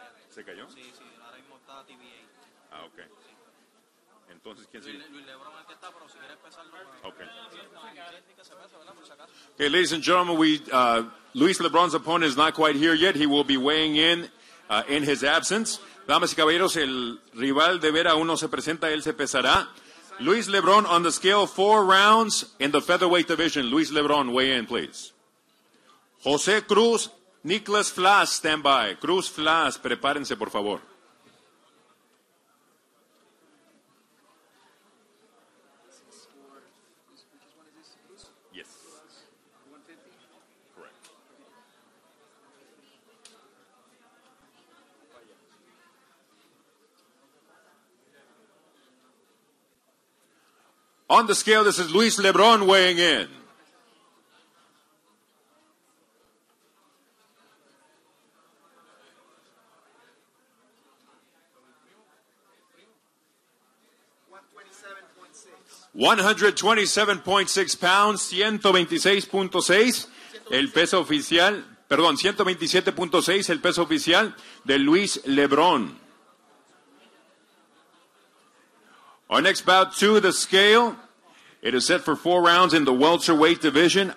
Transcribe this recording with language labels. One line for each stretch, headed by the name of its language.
Spanish: ¿Se cayó? Sí, sí, ahora mismo está TBA. Ah, okay. Entonces, ¿quién sigue? Luis Lebrón aquí está, pero si quiere empezar. Okay.
English: Okay, ladies and gentlemen, Luis Lebron's opponent is not quite here yet. He will be weighing in his absence.
Spanish: Damas y caballeros, el rival de Vera aún no se presenta, él se pesará.
English: Luis Lebron on the scale, 4 rounds in the featherweight division. Luis Lebron, weigh in, please. José Cruz, Nicholas Flas, stand by.
Spanish: Cruz Flas, prepárense, por favor.
English: Correct. On the scale, this is Luis LeBron weighing in.
Spanish: £127.6, 126.6, el peso oficial, perdón, 127.6, el peso oficial de Luis LeBron.
English: Our next bout to the scale, it is set for four rounds in the welterweight division.